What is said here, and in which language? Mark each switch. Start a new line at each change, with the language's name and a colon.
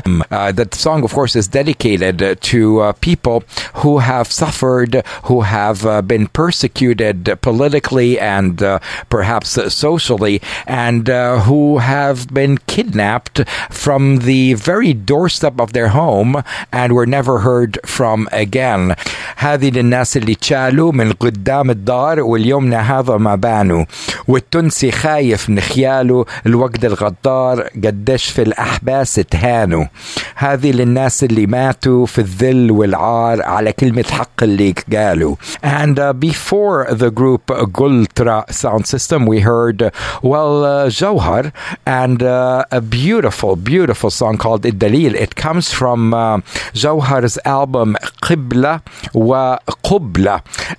English: The song, of course, is dedicated to people who have suffered, who have been persecuted politically and perhaps socially, and who have been kidnapped from the very doorstep of their home and were never heard from again.
Arabic: هذه للناس اللي تشالوا من قدام الدار واليومنا هذا ما بانوا والتونسي خايف من خياله الوقت الغدار قديش في الأحباس تهانوا هذه للناس اللي ماتوا في الذل والعار على كلمة حق اللي قالوا.
English: And before the group Gultra Sound System, we heard Jawhar and a beautiful, beautiful song called الدليل. It comes from Jawhar's album Qibla wa Qubla.